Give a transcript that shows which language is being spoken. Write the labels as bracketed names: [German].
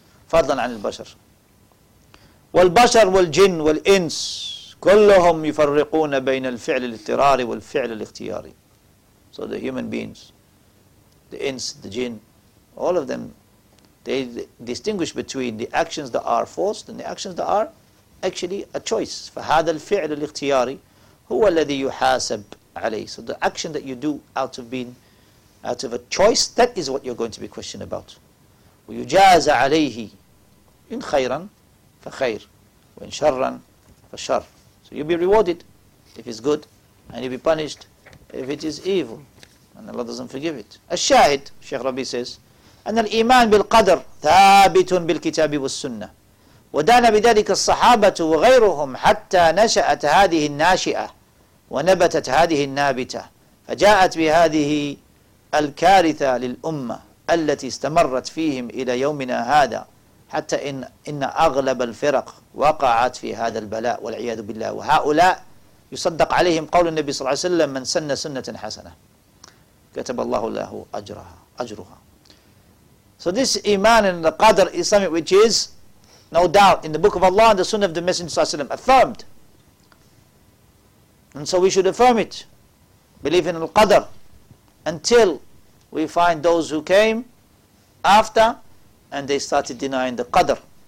[Arabic] فَضْلًا عَنِ الْبَشَرِ. وَالْبَشَرِ وَالْجِنِّ وَالْإِنسِ كُلُّهُمْ يُفَرِّقُونَ بَيْنَ الْفِعْلِ الْإِضْطِرَارِ وَالْفِعْلِ الْإِخْتِيَارِ. [English] So the human beings, the ins, the jinn, all of them, they distinguish between the actions that are forced and the actions that are actually a choice. [Arabic] فَهَذَا الْفِعْلُ الْإِخْتِيَارِ هو الذي يحاسب عليه. [English] So the action that you do out of being, out of a choice, that is what you're going to be questioned about. [Arabic] ويجازى عليه إن خيرا فخير وإن شرا فشر. [English] So you'll be rewarded if it's good, and you'll be punished if it is evil, and Allah doesn't forgive it. [Arabic] الشاهد, [English] Sheikh Rabbi says, [Arabic] أن الإيمان بالقدر ثابت بالكتاب والسنة. ودان بذلك الصحابة وغيرهم حتى نشأت هذه الناشئة ونبتت هذه النابتة فجاءت بهذه الكارثة للأمة التي استمرت فيهم إلى يومنا هذا حتى إن أغلب الفرق وقعت في هذا البلاء والعياذ بالله. وهؤلاء يصدق عليهم قول النبي صلى الله عليه وسلم, من سن سنة حسنة كتب الله له أجرها. [English] So this iman in the qadr is something which is no doubt in the book of Allah and the sunnah of the Messenger ﷺ, affirmed. And so we should affirm it, believe in al-qadr, until we find those who came after and they started denying the qadr.